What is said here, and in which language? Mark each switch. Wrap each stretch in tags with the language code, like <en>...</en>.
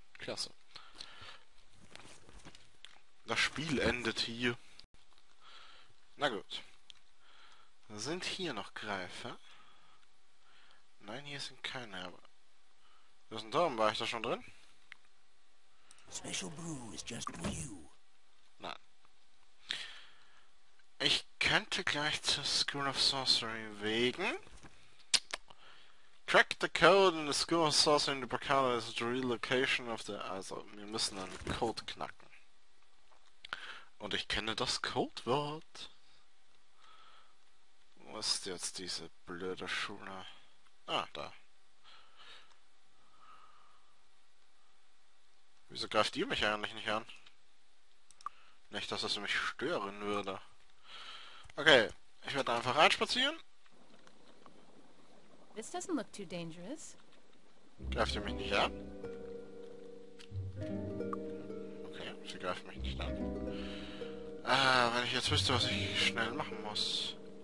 <de>Klasse. Das Spiel endet hier. Na gut. Sind hier noch Greifer? Nein, hier sind keine, aber... Das ist ein Turm, war ich da schon drin?</de> <en>Special Brew is just for you.</en> <de>Nein. Ich könnte gleich zur School of Sorcery wegen.</de> <en>Crack the code in the School of Sorcery in the Bacala is the relocation of the...</en> <de>Also, wir müssen einen Code knacken. Und ich kenne das Codewort. Wo ist jetzt diese blöde Schule? Ah, da. Wieso greift ihr mich eigentlich nicht an? Nicht, dass es mich stören würde. Okay, ich werde einfach reinspazieren.</de> <en>This doesn't look too dangerous.</en> <de>Greift ihr mich nicht an? Okay, sie greift mich nicht an. Wenn ich jetzt wüsste, was ich schnell machen muss.</de>